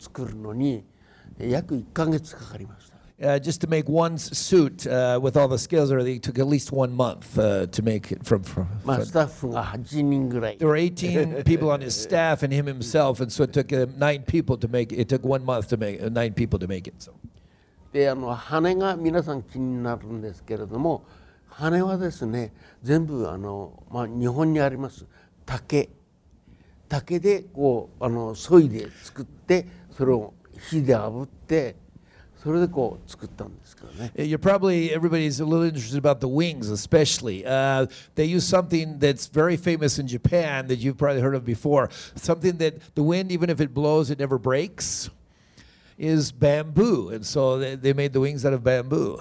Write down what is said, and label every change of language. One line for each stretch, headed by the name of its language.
Japanese: だいたいあれを一頭作るのに約1ヶ月かかりました。
English: Just to make one suit with all the scales, it took at least 1 month to make it from. There were 18 people on his staff and him himself, and so it took nine people to make it. It took 1 month to make nine people to make it. So.
Japanese: で、羽が皆さん気になるんですけれども、羽はですね、全部日本にあります竹でこう削いで作って、それを火で炙って。
English: You're probably, everybody's a little interested about the wings, especially. They use something that's very famous in Japan that you've probably heard of before. Something that the wind, even if it blows, it never breaks, is bamboo. And so they made the wings out of bamboo.